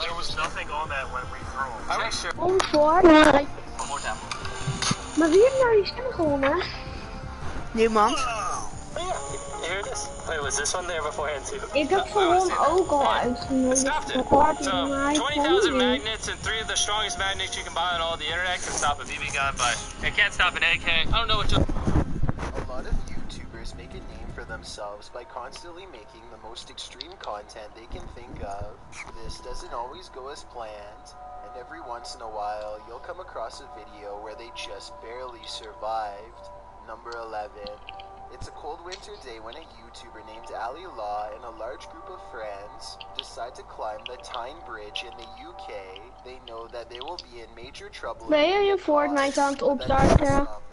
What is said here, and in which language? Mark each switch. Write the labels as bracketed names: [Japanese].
[English] There was nothing on that when we threw him. I'm not sure. Oh, four? No. One more time. [Dutch] Maar wie heeft nou die stem gewonnen? Niemand. Oh ja, hier is. [English] Wait, was this one there beforehand too? [Dutch] Ik heb gewoon ook al uitgenodigd. Het is [English] 20,000 magnets and 3 of the strongest magnets you can buy on all the internet can stop a BB gun, but it can't stop an AK. I don't know what you're... A lot of YouTubers make a name for themselves by constantly making the most extreme content they can think of. This doesn't always go as planned. And every once in a while, you'll come across a video where they just barely survived. Number 11. It's a cold winter day when a YouTuber named Ali Law and a large group of friends decide to climb the Tyne Bridge in the UK. They know that they will be in major trouble. [Dutch] Ben je je Fortnite aan het opstarten?